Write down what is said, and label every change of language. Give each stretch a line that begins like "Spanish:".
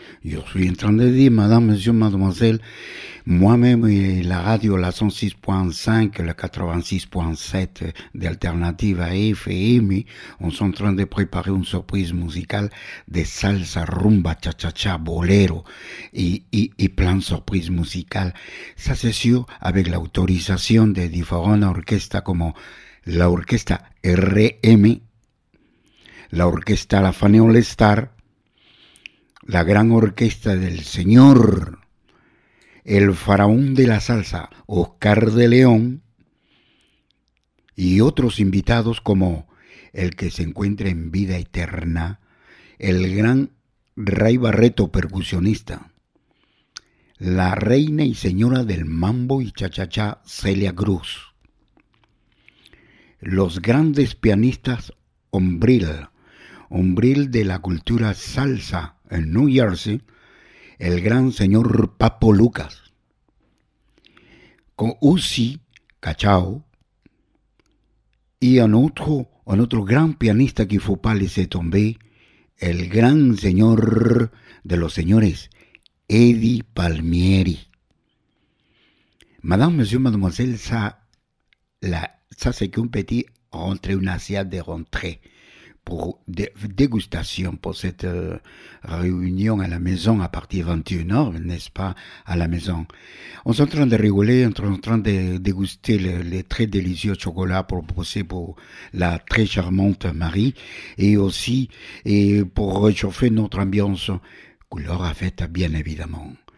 Spanish: Yo soy
French: en train de dire, madame, monsieur, mademoiselle, moi-même et la radio, la 106.5, la 86.7 d'Alternative à FM, on est en train de préparer une surprise musicale de salsa, rumba, cha-cha-cha, bolero et plein de surprises musicales. Ça, c'est sûr, avec l'autorisation de différentes orchestres comme
Spanish: la orquesta RM, la orquesta La Fania All Star, la gran orquesta del señor, el faraón de la salsa, Oscar de León, y otros invitados como el que se encuentra en vida eterna, el gran Ray Barreto, percusionista, la reina y señora del mambo y cha-cha-cha, Celia Cruz, los grandes pianistas Hombril de la cultura salsa en New Jersey, el gran señor Papo Lucas, con Uzi Cachao y un otro gran pianista que fue palice tombé, el gran señor de los señores, Eddie Palmieri.
French: Madame, monsieur, mademoiselle, ça c'est qu'un petit rentrée, une assiette de rentrée pour dégustation pour cette réunion à la maison à partir 21h, n'est-ce pas, à la maison. On est en train de rigoler, on est en train de déguster les très délicieux chocolats proposés pour la très charmante Marie et aussi pour réchauffer notre ambiance couleur à fête, bien évidemment.